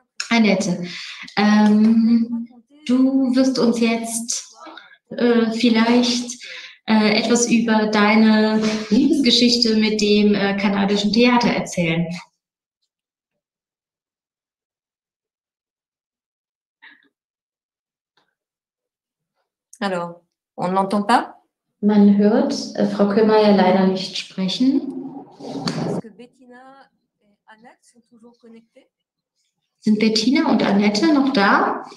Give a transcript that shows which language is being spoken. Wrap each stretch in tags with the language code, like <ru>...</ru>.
<de>Annette, du wirst uns jetzt vielleicht etwas über deine Liebesgeschichte mit dem kanadischen Theater erzählen.</de> <fr>Hallo, on n'entend pas?</fr> <de>Man hört Frau Kühlmeier leider nicht sprechen.</de> <fr>Est-ce que Bettina et Annette sont toujours connectés?</fr> <de>Sind Bettina und Annette noch da?</de>